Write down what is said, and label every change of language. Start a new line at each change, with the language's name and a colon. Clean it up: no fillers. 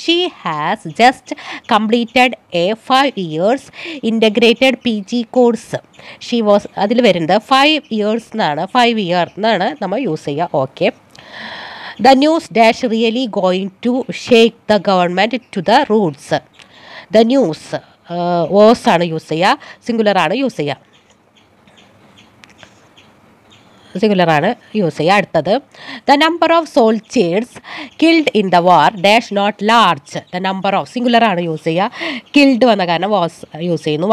English: She has just completed a 5 years integrated PG course. She was
Malayalam: അതിൽ വരുന്നത് 5 years എന്നാണ് നമ്മൾ യൂസ് ചെയ്യുക. Okay,
English: The news dash really going to shake the government to the roots. The news was
Malayalam: ആണ് use ചെയ്യുക, singular ആണ് use ചെയ്യുക. സിംഗുലറാണ് use ചെയ്യുക. അടുത്തത്,
English: The number of soldiers killed in the war dash not large.
Malayalam: The number of സിംഗുലറാണ് use ചെയ്യുക, killed വന്ന കാരണം was use ചെയ്യുന്നു.